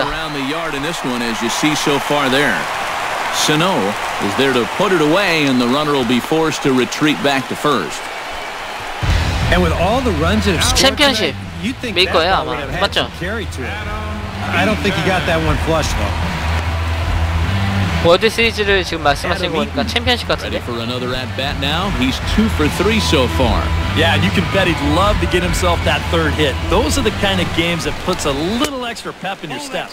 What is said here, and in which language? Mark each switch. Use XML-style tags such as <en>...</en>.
<en>Around the yard in this one as you see so far there. Sano is there to put it away and the runner will be forced to retreat back to first. And with all the runs that have scored,</en> <ko>챔피언십 밀 거야 아마. 맞죠?</ko> <en>I don't think he got that one flush though.</en> <ko>월드 시리즈를 지금 말씀하신 거 보니까 챔피언십 같은데.</ko> <en>Ready for another at bat now. He's 2-for-3 so far. Yeah, you can bet he'd love to get himself that third hit. Those are the kind of games that puts a little extra pep in your step.</en>